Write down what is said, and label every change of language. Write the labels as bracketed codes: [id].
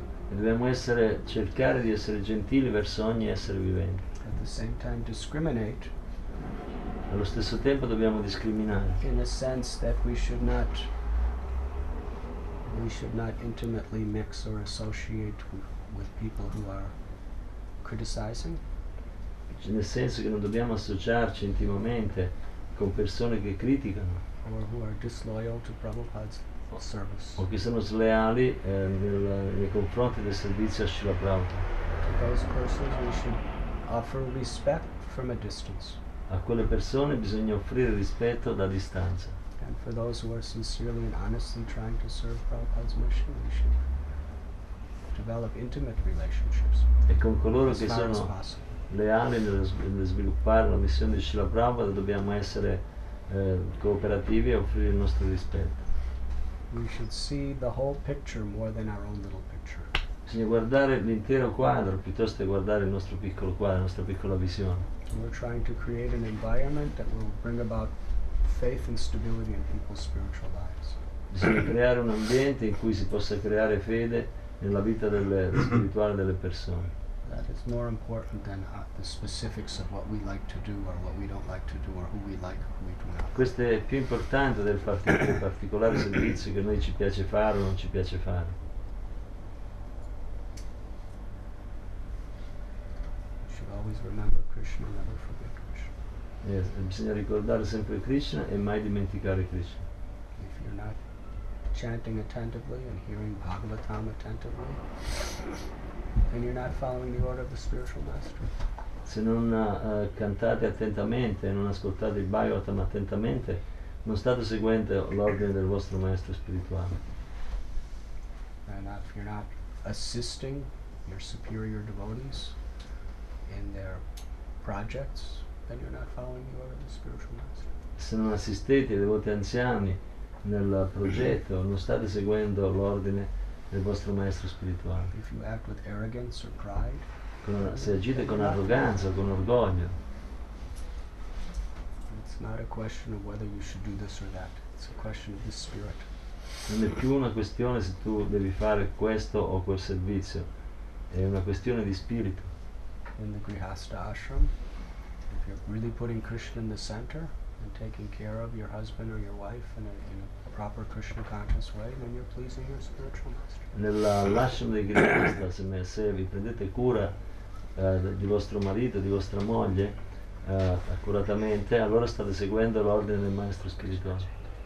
[it] Dobbiamo essere, cercare di essere gentili verso ogni essere vivente. [en] At the same time discriminate. [it] Allo stesso tempo dobbiamo discriminare. [en] In a sense that we should not intimately mix or associate with people who are criticizing. [it] Nel senso che non dobbiamo associarci intimamente con persone che criticano [en] or who are disloyal to Prabhupada's service. [it] O che sono sleali nei confronti del servizio a Srila Prabhupada. [en] To those persons we should offer respect from a distance. [it] A quelle persone bisogna offrire rispetto da distanza. [en] And for those who are sincerely and honestly trying to serve Prabhupada's mission, we should develop intimate relationships. [it] E con coloro che sono leali nello sviluppare la missione di Srila Prabhupada dobbiamo essere cooperativi e offrire il nostro rispetto. [en] We should see the whole picture more than our own little picture. [it] Bisogna guardare l'intero quadro piuttosto che guardare il nostro piccolo quadro, la nostra piccola visione. [en] We're trying to create an environment that will bring about faith and stability in people's spiritual lives. [it] Bisogna creare un ambiente in cui si possa creare fede nella vita delle, spirituale delle persone. [en] That is more important than the specifics of what we like to do or what we don't like to do or who we like or who we do not. [it] Questo è più importante del particolare servizio che noi ci piace fare o non ci piace fare. [en] You should always remember Krishna, never forget Krishna. [it] Yes, bisogna ricordare sempre Krishna e mai dimenticare Krishna. [en] If you're not chanting attentively and hearing Bhagavatam attentively, and you're not following the order of the spiritual master. [it] Se non cantate attentamente e non ascoltate il Bhagavatam attentamente, non state seguendo l'ordine del vostro maestro spirituale. [en] And if you're not assisting your superior devotees in their projects, then you're not following the order of the spiritual master. [it] Se non assistete ai devoti anziani nel progetto, non state seguendo l'ordine del vostro maestro spirituale. [en] If you act with arrogance or pride, [it] se agite con arroganza, con orgoglio, [en] it's not a question of whether you should do this or that. It's a question of the spirit. [it] Non è più una questione se tu devi fare questo o quel servizio. È una questione di spirito. [en] In the Grihastha ashram, if you're really putting Krishna in the center and taking care of your husband or your wife in a proper Krishna conscious way, then you're pleasing your spiritual master. [it] Nella l'ashram dei Grihastha, se vi prendete cura di vostro marito, di vostra moglie, accuratamente, allora state seguendo l'ordine del maestro spirituale.